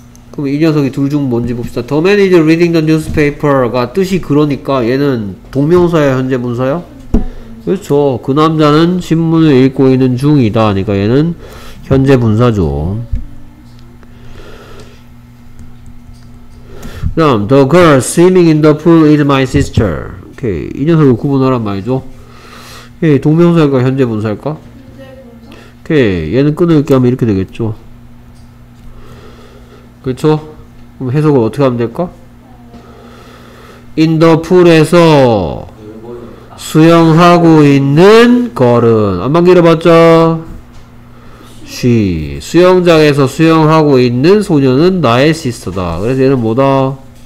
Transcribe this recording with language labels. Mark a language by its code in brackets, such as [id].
[ko] 그럼 이 녀석이 둘 중 뭔지 봅시다. [en] The man is reading the newspaper [ko] 가 뜻이 그러니까 얘는 동명사야, 현재 분사야? 그렇죠. 그 남자는 신문을 읽고 있는 중이다. 그러니까 얘는 현재 분사죠. [en] 다음, The girl swimming in the pool is my sister. [ko] 오케이. 이 녀석을 구분하란 말이죠. 오케이. 동명사일까? 현재 분사일까? 오케이. 얘는 끊을게 하면 이렇게 되겠죠. 그쵸? 그럼 해석을 어떻게 하면 될까? [en] In the pool [ko] 에서 수영하고 있는 걸은 안만 길어봤자 she 수영장에서 수영하고 있는 소녀는 나의 시스터다. 그래서 얘는 뭐다?